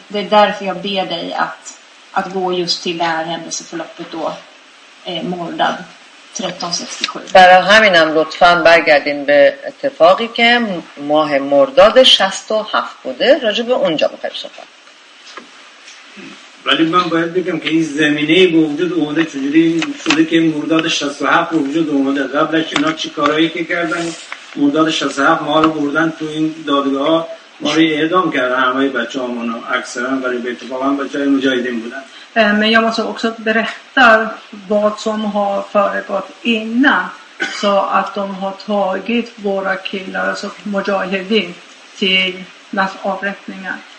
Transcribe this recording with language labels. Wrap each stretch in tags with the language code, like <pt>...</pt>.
<sv>Det är därför jag ber dig att gå just till det här händelseförloppet då Moldav 1367.</sv> <fa>برای همینم لطفاً برگردین به اتفاقی که ماه مرداد 67 بوده راجع به اونجا بخیر صحبت. ولی من باید بگم که این زمینه به وجود اومده چجوری شده که مرداد 67 به وجود اومده قبلش اینا چی کارهایی که کردن مرداد 67 ما رو بردن تو این دادگاه ها ما رو اعدام کردن همه بچه همون رو اکثرا ولی به اتفاق هم بچه های مجاهدین بودن.</fa> <sv>Men jag måste också berätta vad som har föregått innan så att de har tagit våra killar, alltså Mujahedin, till nas avrättningar.</sv>